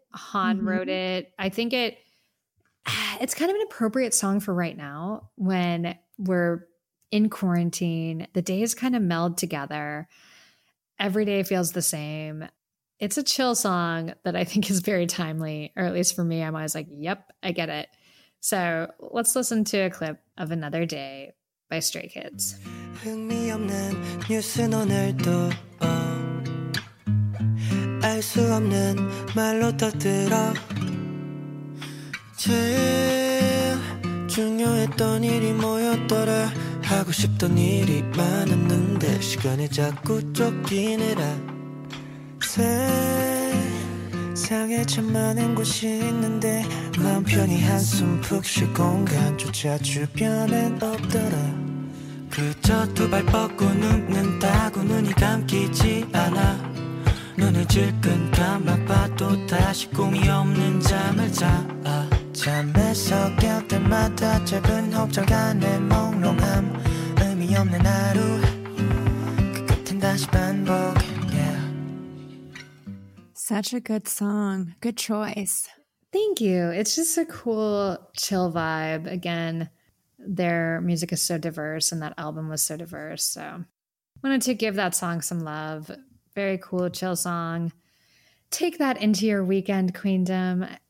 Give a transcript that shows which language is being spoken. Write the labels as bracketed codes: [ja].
[en] Han wrote it. I think it's kind of an appropriate song for right now when we're in quarantine. The days kind of meld together. Every day feels the same. It's a chill song that I think is very timely, or at least for me, I'm always like, yep, I get it. So let's listen to a clip of Another Day by Stray Kids. [ko] 흥미없는 뉴스는 오늘도 알 수 없는 말로 떠들어 제일 중요했던 일이 뭐였더라 하고 싶던 일이 많았는데 시간이 자꾸 쫓기느라 세상에 참 많은 곳이 있는데 마음 편히 한숨 푹 쉴 공간조차 주변엔 없더라 그저 두 발 뻗고 눕는다고 눈이 감기지 않아 눈을 질끈 감아 봐도 다시 꿈이 없는 잠을 자 잠에서 깰 때마다 작은 혹적 안에 몽롱함 의미 없는 하루 그 끝엔 다시 반복 [en] Such a good song. Good choice. Thank you. It's just a cool, chill vibe. Again, their music is so diverse and that album was so diverse. So wanted to give that song some love. Very cool, chill song. Take that into your weekend, Queendom.